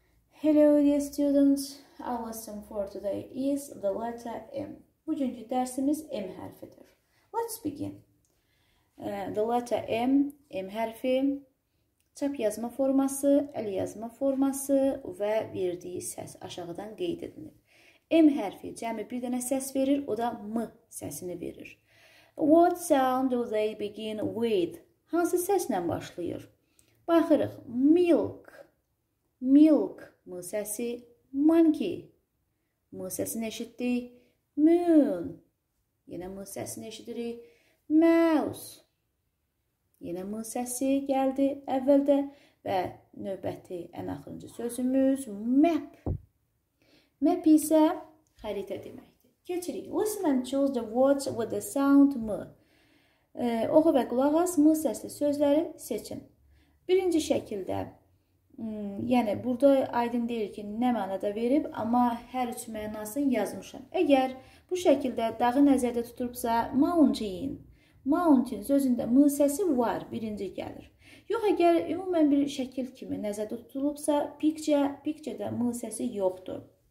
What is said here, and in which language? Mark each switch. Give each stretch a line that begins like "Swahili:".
English: Hello dear students, our lesson for today is the letter M.
Azerbaijani: Bugünkü dersimiz M harfidir.
English: Let's begin. The letter M,
Azerbaijani: M harfi, çap yazma forması, el yazma forması ve verdiği ses aşağıdan qeyd edilir. M harfi cəmi bir dənə ses verir, o da M səsini verir.
English: What sound do they begin with?
Azerbaijani: Hansı səslə başlayır? Baxırıq, milk, milk. M səsi monkey. M səsini eşitdik. Moon. Yenə M səsini eşidirik. Mouse. Yenə M səsi gəldi əvvəldə. Və növbəti ən axırıncı sözümüz map. Map isə xəritə deməkdir. Keçirik.
English: Listen and choose the words with the sound M.
Azerbaijani: Oxu və qulaq as M səsli sözləri seçin. Birinci şəkildə. Yəni, burada aydın deyir ki, nə mənada verib, amma hər üç mənasını yazmışam. Əgər bu şəkildə dağı nəzərdə tuturubsa, mountain. Mountain sözündə m səsi var, birinci gəlir. Yox, əgər ümumən bir şəkil kimi nəzərdə tutulubsa, picture-də m səsi yoxdur.